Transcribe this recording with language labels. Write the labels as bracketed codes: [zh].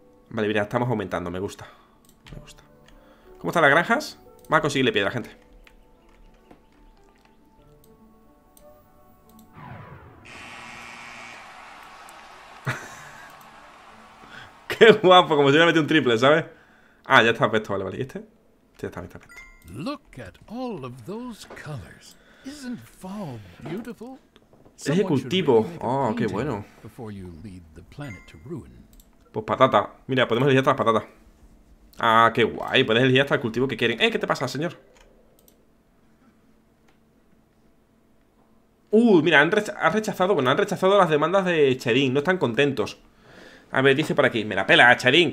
[es] Vale, mira, estamos aumentando, me gusta. Me gusta. ¿Cómo están las granjas? Vamos a conseguirle piedra, gente. Qué guapo, como si hubiera metido un triple, ¿sabes? Ah, ya está puesto, vale. ¿Y este? Sí, está puesto. [en] Look at all of those colors. Isn't fall beautiful? [es] Es el cultivo. Oh, qué bueno. [en] Before you lead the planet to ruin. [es] Pues patata. Mira, podemos elegir hasta las patatas. Ah, qué guay. Puedes elegir hasta el cultivo que quieren. ¿Qué te pasa, señor? Mira, han rechazado las demandas de Cherin. No están contentos. A ver, dice por aquí. Me la pela, Cherin.